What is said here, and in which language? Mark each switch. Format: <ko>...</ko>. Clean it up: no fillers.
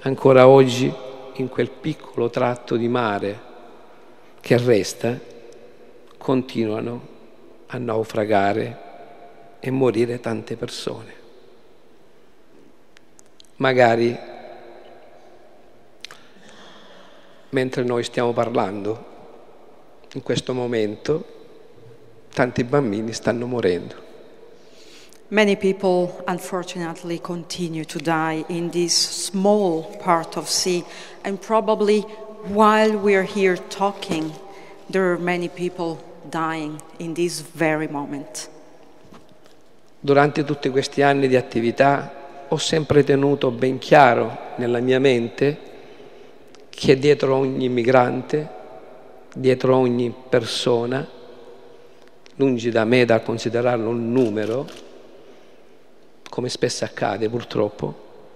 <it>ancora oggi in quel piccolo tratto di mare che resta, continuano a naufragare e morire tante persone. Magari, mentre noi stiamo parlando, in questo momento, tanti bambini stanno morendo.</it> <en>Many people, unfortunately, continue to die in this small part of sea. And probably while we are here talking, there are many people dying in this very moment.</en> <it>Durante tutti questi anni di attività, ho sempre tenuto ben chiaro nella mia mente che dietro ogni migrante, dietro ogni persona, lungi da me da considerarlo un numero, come spesso accade purtroppo,</it>